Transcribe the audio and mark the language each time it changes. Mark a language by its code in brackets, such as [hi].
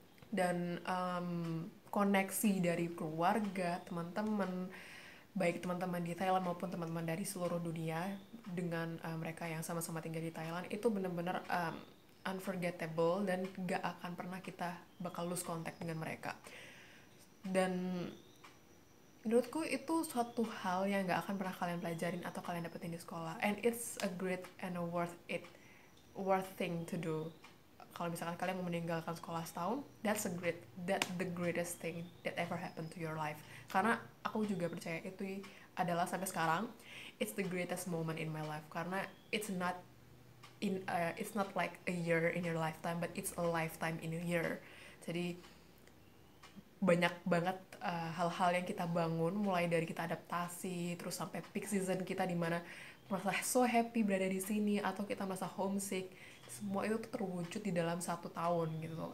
[id] Dan koneksi dari keluarga, teman-teman, baik teman-teman di Thailand maupun teman-teman dari seluruh dunia dengan mereka yang sama-sama tinggal di Thailand, itu benar-benar unforgettable dan gak akan pernah kita bakal [en] lose contact [id] dengan mereka. Dan menurutku itu suatu hal yang gak akan pernah kalian pelajarin atau kalian dapetin di sekolah. [en] And it's a great and a worth it, worth thing to do. [id] Kalau misalkan kalian mau meninggalkan sekolah setahun, [en] that's a great, that the greatest thing that ever happened to your life. [id] Karena aku juga percaya itu adalah sampai sekarang, [en] it's the greatest moment in my life. Karena it's not like a year in your lifetime, but it's a lifetime in a year. [id] Jadi banyak banget hal-hal yang kita bangun, mulai dari kita adaptasi, terus sampai peak season kita di mana merasa [en] so happy [id] berada di sini, atau kita merasa homesick, semua itu terwujud di dalam 1 tahun gitu.